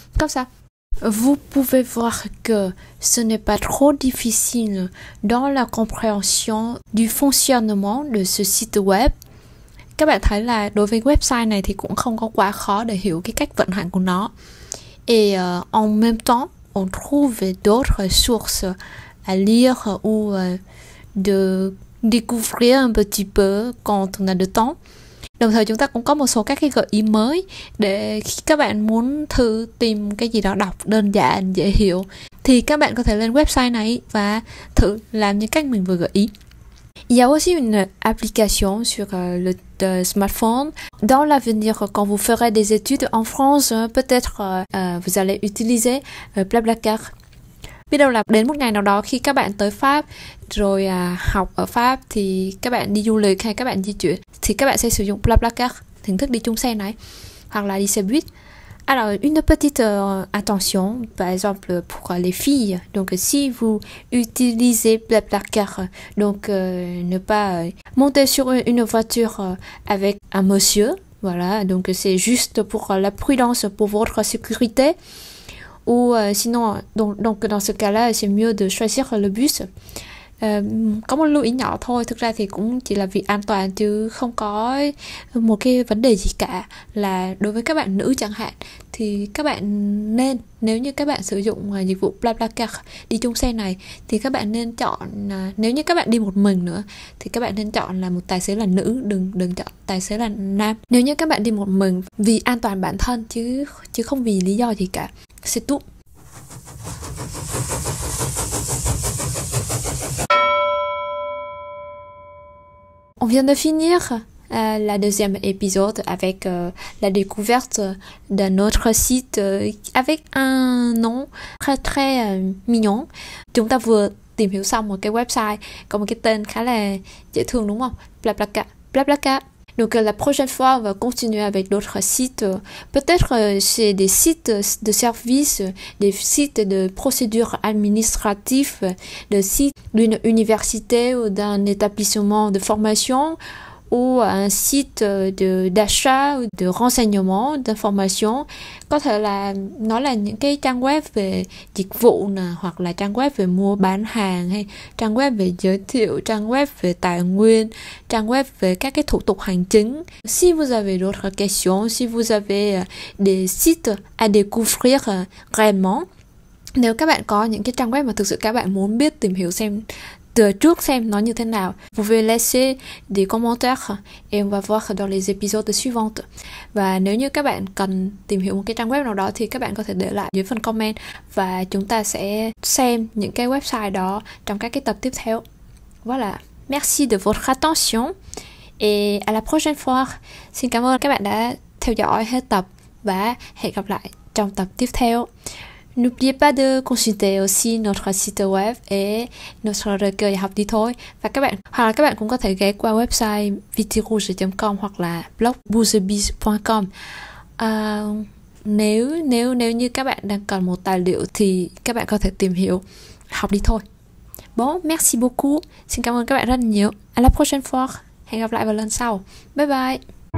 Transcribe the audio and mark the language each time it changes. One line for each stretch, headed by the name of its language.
Vietnamese: Có sao?
French: Vous pouvez voir que ce n'est pas trop difficile dans la compréhension du fonctionnement de ce site web.
Vietnamese: Các bạn thấy là đối với website này thì cũng không có quá khó để hiểu cái cách vận hành của nó.
French: Et en même temps, on trouve d'autres sources à lire ou de découvrir un petit peu quand on a le temps.
Vietnamese: Đồng thời chúng ta cũng có một số các cái gợi ý mới để khi các bạn muốn thử tìm cái gì đó đọc đơn giản, dễ hiểu thì các bạn có thể lên website này và thử làm những cách mình vừa gợi ý.
French: Il y a aussi une application sur le smartphone. Dans l'avenir, quand vous ferez des études en France, peut-être vous allez utiliser Blablacar.
Vietnamese: Biết đâu là đến một ngày nào đó khi các bạn tới Pháp rồi học ở Pháp thì các bạn đi du lịch hay các bạn di chuyển thì các bạn sẽ sử dụng Blablacar, hình thức đi chung xe này hoặc là đi xe buýt.
French: Alors, une petite attention, par exemple pour les filles, donc si vous utilisez Blablacar, donc ne pas monter sur une voiture avec un monsieur, voilà, donc c'est juste pour la prudence, pour votre sécurité. Ou sinon, donc dans ce cas-là, c'est mieux de choisir le bus.
Vietnamese: Có một lưu ý nhỏ thôi, thực ra thì cũng chỉ là vì an toàn chứ không có một cái vấn đề gì cả. Là đối với các bạn nữ chẳng hạn, thì các bạn nên, nếu như các bạn sử dụng dịch vụ Blablacar đi chung xe này, thì các bạn nên chọn, nếu như các bạn đi một mình nữa, thì các bạn nên chọn là một tài xế là nữ, đừng chọn tài xế là nam. Nếu như các bạn đi một mình vì an toàn bản thân chứ không vì lý do gì cả.
French: C'est tout. On vient de finir la deuxième épisode avec la découverte d'un autre site avec un nom très très mignon.
Vietnamese: Chúng ta vừa tìm hiểu xong một cái website có một cái tên khá là dễ thương đúng không? Blablacar.
French: Donc la prochaine fois, on va continuer avec d'autres sites. Peut-être c'est des sites de services, des sites de procédures administratives, des sites d'une université ou d'un établissement de formation, ou un site d'achat ou de renseignement, d'information.
Vietnamese: Có thể là nó là những cái trang web về dịch vụ nè, hoặc là trang web về mua bán hàng, hay trang web về giới thiệu, trang web về tài nguyên, trang web về các cái thủ tục hành chính.
French: Si vous avez d'autres questions, si vous avez des sites à découvrir vraiment,
Vietnamese: nếu các bạn có những cái trang web mà thực sự các bạn muốn biết tìm hiểu xem trước xem nó như thế nào,
French: vous pouvez laisser des commentaires et on va voir dans les épisodes suivantes.
Vietnamese: Và nếu như các bạn cần tìm hiểu một cái trang web nào đó thì các bạn có thể để lại dưới phần comment và chúng ta sẽ xem những cái website đó trong các cái tập tiếp theo.
French: Voilà, merci de votre attention et à la prochaine fois.
Vietnamese: Xin cảm ơn các bạn đã theo dõi hết tập và hẹn gặp lại trong tập tiếp theo.
French: N'oubliez pas de consulter aussi notre site web et notre recueil học đi thôi.
Vietnamese: Và các bạn hoặc là các bạn cũng có thể ghé qua website vtrouge.com hoặc là blogbusabiz.com. Nếu như các bạn đang cần một tài liệu thì các bạn có thể tìm hiểu học đi thôi.
French: Bon, merci beaucoup.
Vietnamese: Xin cảm ơn các bạn rất nhiều.
French: À la prochaine fois.
Vietnamese: Hẹn gặp lại vào lần sau. Bye bye.